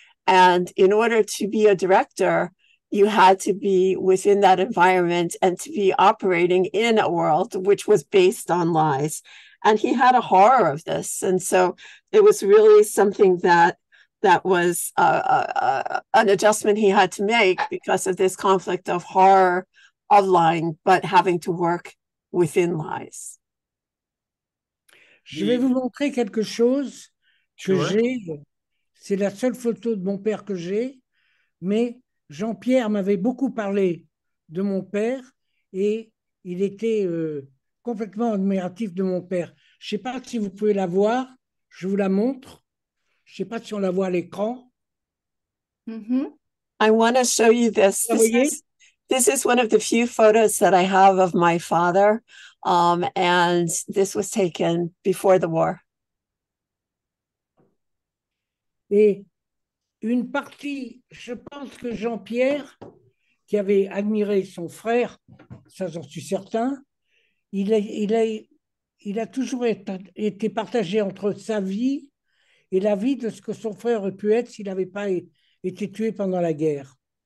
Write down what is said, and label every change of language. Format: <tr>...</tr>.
<en>And in order to be a director, you had to be within that environment and to be operating in a world which was based on lies. And he had a horror of this. And so it was really something that was an adjustment he had to make because of this conflict of horror of lying, but having to work within lies.</en> <fr>Je vais vous montrer quelque chose que sure. J'ai. C'est la seule photo de mon père que j'ai, mais Jean-Pierre m'avait beaucoup parlé de mon père et il était complètement admiratif de mon père. Je ne sais pas si vous pouvez la voir, je vous la montre. Je ne sais pas si on la voit à l'écran.</fr> <en>I want to show you this. This is one of the few photos that I have of my father, and this was taken before the war.</en> <fr>Et une partie, je pense que Jean-Pierre, qui avait admiré son frère, ça j'en suis certain, il a toujours été partagé entre sa vie et la vie de ce que son frère aurait pu être s'il n'avait pas été tué pendant la guerre.</fr>